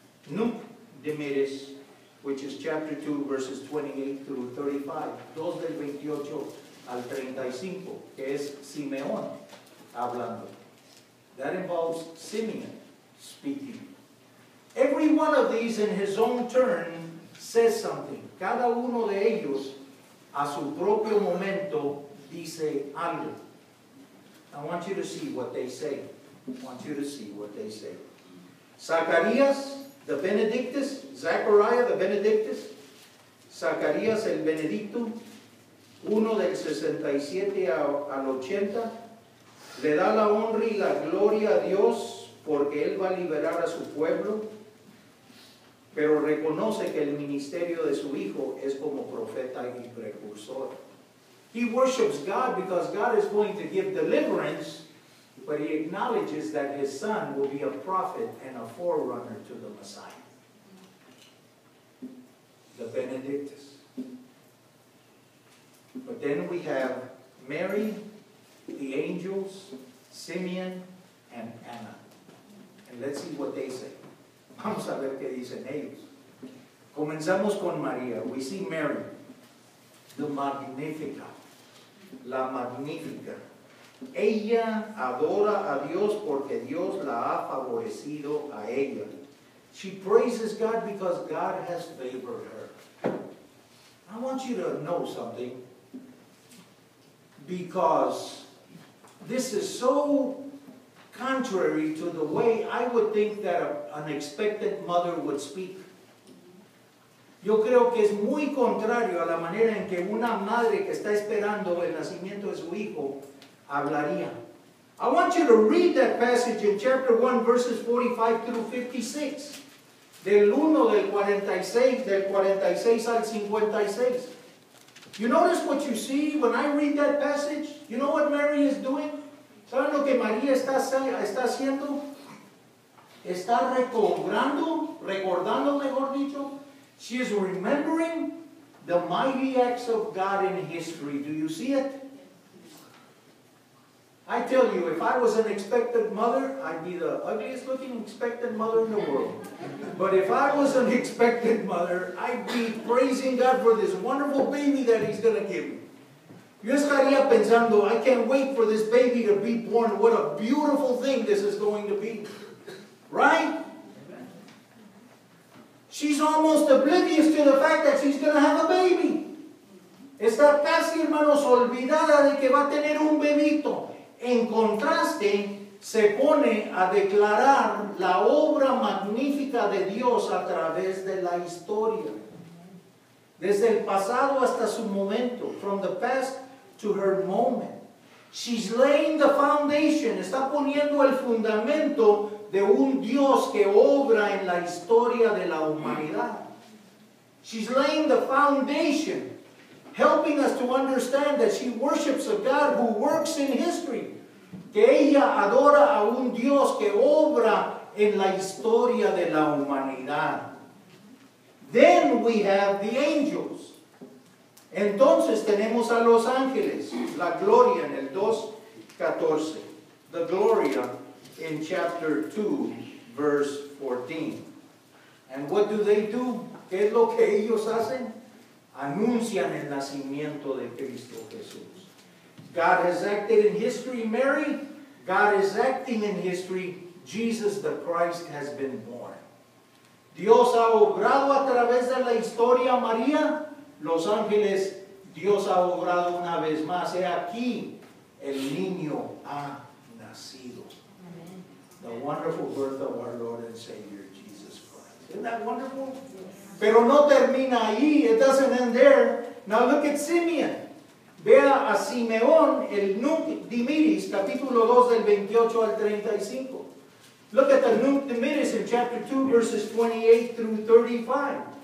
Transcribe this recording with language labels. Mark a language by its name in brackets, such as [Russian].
[English] Nunc Dimittis, which is chapter 2, verses 28 through 35. [Spanish] 2 del 28 al 35, que es Simeón hablando. [English] That involves Simeon speaking. Every one of these in his own turn says something. [Spanish] Cada uno de ellos, a su propio momento, dice algo. [English] I want you to see what they say. I want you to see what they say. Zacarías, the Benedictus. Zechariah, the Benedictus. [Spanish] Zacarías, el Benedicto. Uno del 67 al 80. Le da la honra y la gloria a Dios porque él va a liberar a su pueblo. Pero reconoce que el ministerio de su hijo es como profeta y precursor. [English] He worships God because God is going to give deliverance, but he acknowledges that his son will be a prophet and a forerunner to the Messiah. The Benedictus. But then we have Mary, the angels, Simeon, and Anna. And let's see what they say. [Spanish] Vamos a ver qué dicen ellos. Comenzamos con María. [English] We see Mary, the Magnífica, la Magnífica. [Spanish] Ella adora a Dios porque Dios la ha favorecido a ella. [English] She praises God because God has favored her. I want you to know something, because this is so contrary to the way I would think that an expectant mother would speak. [Spanish] Yo creo que es muy contrario a la manera en que una madre que está esperando el nacimiento de su hijo hablaría. [English] I want you to read that passage in chapter 1, verses 45 through 56. [Spanish] Del 1 del 46, del 46 al 56. [English] You notice what you see when I read that passage? You know what Mary is doing? [Spanish] ¿Saben lo que María está haciendo? Está recobrando, recordando mejor dicho, [English] She is remembering the mighty acts of God in history. Do you see it? I tell you, if I was an expectant mother, I'd be the ugliest looking expectant mother in the world. But if I was an expectant mother, I'd be praising God for this wonderful baby that He's going to give me. [Spanish] Yo estaría pensando, [English] I can't wait for this baby to be born. What a beautiful thing this is going to be. Right? She's almost oblivious to the fact that she's going to have a baby. [Spanish] Está casi, hermanos, olvidada de que va a tener un bebito. En contraste, se pone a declarar la obra magnífica de Dios a través de la historia. Desde el pasado hasta su momento, [English] from the past to her moment. She's laying the foundation, [Spanish] está poniendo el fundamento de un Dios que obra en la historia de la humanidad. [English] She's laying the foundation, helping us to understand that she worships a God who works in history. [Spanish] Que ella adora a un Dios que obra en la historia de la humanidad. [English] Then we have the angels. [Spanish] Entonces tenemos a los ángeles. La gloria en el 2:14. [English] The gloria in chapter 2, verse 14. And what do they do? [Spanish] ¿Qué es lo que ellos hacen? Anuncian el nacimiento de Cristo Jesús. [English] God has acted in history, Mary. God is acting in history. Jesus the Christ has been born. [Spanish] Dios ha obrado a través de la historia, María. Los ángeles, Dios ha obrado una vez más. He aquí, el niño ha nacido. Amen. [English] The wonderful birth of our Lord and Savior, Jesus Christ. Isn't that wonderful? Yes. [Spanish] Pero no termina ahí. [English] It doesn't end there. Now look at Simeon. [Spanish] Vea a Simeón, el Nunc Dimittis, capítulo 2, del 28 al 35. [English] Look at the Nunc Dimittis in chapter 2, verses 28 through 35.